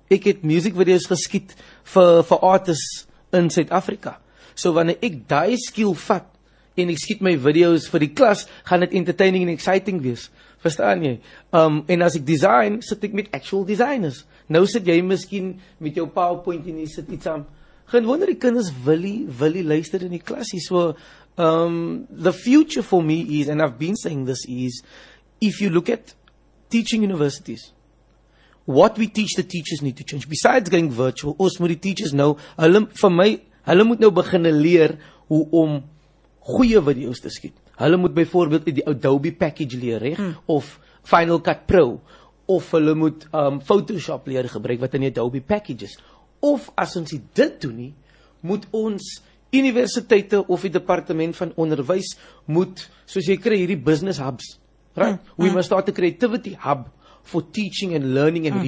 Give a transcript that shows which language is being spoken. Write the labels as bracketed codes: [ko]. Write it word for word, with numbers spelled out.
[af] Ek het musiekvideo's geskiet vir vir artists in Suid-Afrika. So wanneer ek daai skill vat en ek skiet my video's vir die klas, gaan dit entertaining en exciting wees. Verstaan jy? Um, en as ek design, sit ek met [en] actual designers. [af] Nou sit jy miskien met jou PowerPoint en jy sit iets aan. Geen wonder die kinders wil nie, wil nie luister in die klas. [en] So, um, the future for me is, and I've been saying this is, if you look at teaching universities, what we teach the teachers need to change. Besides going virtual, [af] ons moet die teachers nou, hulle, vir my, hulle moet nou begin leer hoe om goeie video's te skiet. Hulle moet byvoorbeeld die Adobe package leer, reg? Mm. Of Final Cut Pro. Of hulle moet um, Photoshop leer gebruik wat in die Adobe package is. Of as ons dit doen nie, moet ons universiteite of die departement van onderwys moet, soos jy kry hierdie business hubs, right? Mm. We mm. [en] must start a creativity hub for teaching and learning and mm.